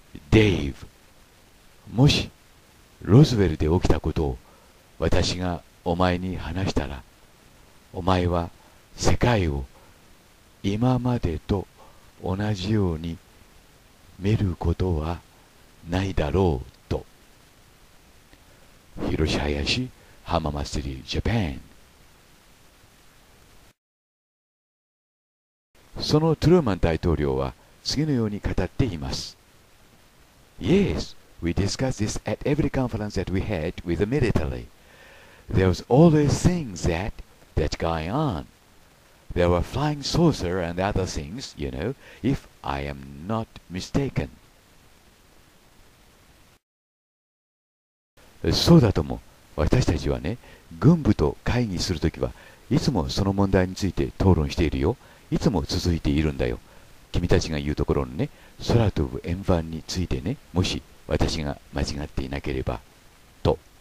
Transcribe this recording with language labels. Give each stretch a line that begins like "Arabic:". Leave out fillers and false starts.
Japanese: デイブ、もしロズウェルで起きたことを私がお前に話したら、お前は世界を今までと同じように見ることはないだろう。と、広瀬林浜祭りジャパン。そのトルーマン大統領は次のように語っています。
English: Yes, we discussed this at every conference that we had with the military. There was always things that going on. There were flying saucer and other things, you know, if I am not mistaken.
Japanese: そうだとも、私たちはね、軍部と会議するときはいつもその問題について討論しているよ。いつも続いているんだよ。君たちが言うところのね、空飛ぶ円盤についてね、もし私が間違っていなければ、と。